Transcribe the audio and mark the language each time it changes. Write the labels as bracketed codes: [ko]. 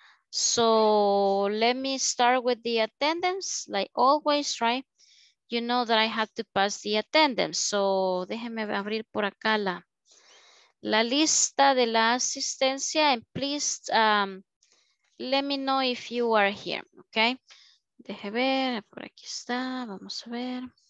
[en] So let me start with the attendance, like always, right? You know that I have to pass the attendance. [es] So déjeme abrir por acá la lista de la asistencia. [en] And please let me know if you are here, okay? [es] Deje ver, por aquí está, vamos a ver.